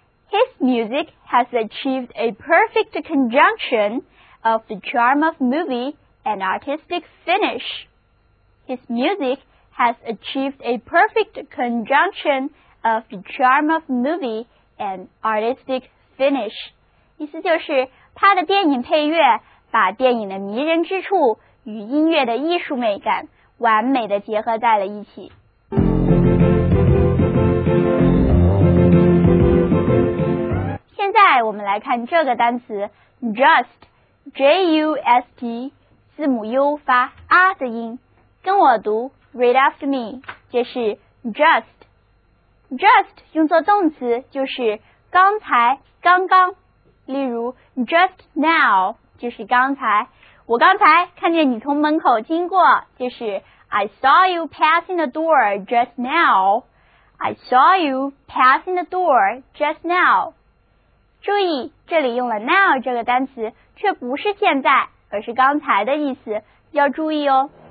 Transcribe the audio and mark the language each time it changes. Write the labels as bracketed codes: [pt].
[en] His music has achieved a perfect conjunction of the charm of movie and artistic finish. His music has achieved a perfect conjunction of the charm of movie and artistic finish. [zh] 意思就是他的电影配乐把电影的迷人之处与音乐的艺术美感完美的结合在了一起。现在我们来看这个单词 just J-U-S-T 字母 U 发 A 的音跟我读 [en] read after me [zh] 这是 just just 用作动词就是刚才刚刚例如 just now 就是刚才我刚才看见你从门口经过就是 [en] I saw you passing the door just now. I saw you passing the door just now. [zh] 注意，这里用了 now 这个单词，却不是现在，而是刚才的意思，要注意哦。